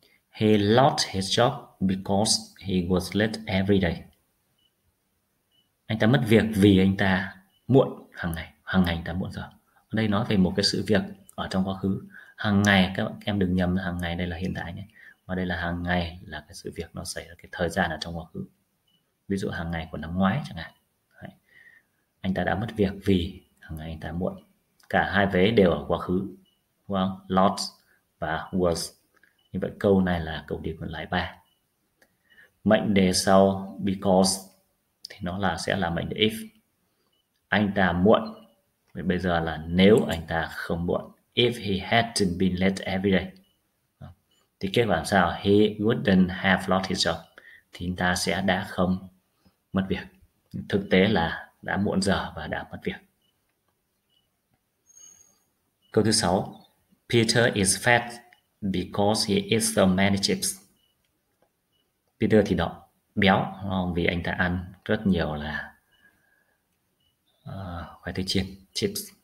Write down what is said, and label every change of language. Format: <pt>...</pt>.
<en>He lost his job because he was late every day.</en> <vi>Anh ta mất việc vì anh ta muộn hàng ngày. Hàng ngày anh ta muộn giờ. Ở đây nói về một cái sự việc ở trong quá khứ. Hàng ngày, các bạn, em đừng nhầm hàng ngày đây là hiện tại nhé. Mà đây là hàng ngày là cái sự việc nó xảy ra, cái thời gian ở trong quá khứ. Ví dụ hàng ngày của năm ngoái chẳng hạn. Đấy. Anh ta đã mất việc vì hàng ngày anh ta muộn. Cả hai vế đều ở quá khứ, đúng không? Lost và was. Như vậy câu này là câu điểm còn lại 3. Mệnh đề sau because thì nó là sẽ là mệnh đề if. Anh ta muộn. Vậy bây giờ là nếu anh ta không muộn.</vi> <en>If he hadn't been late every day.</en> <vi>Thì kết quả sao?</vi> <en>He wouldn't have lost his job.</en> <vi>Thì anh ta sẽ đã không mất việc. Thực tế là đã muộn giờ và đã mất việc. Câu thứ 6.</vi> <en>Peter is fat because he eats so many chips.</en> <vi>Peter thì đó, béo không? Vì anh ta ăn rất nhiều là khoai tây chiên, chips.</vi>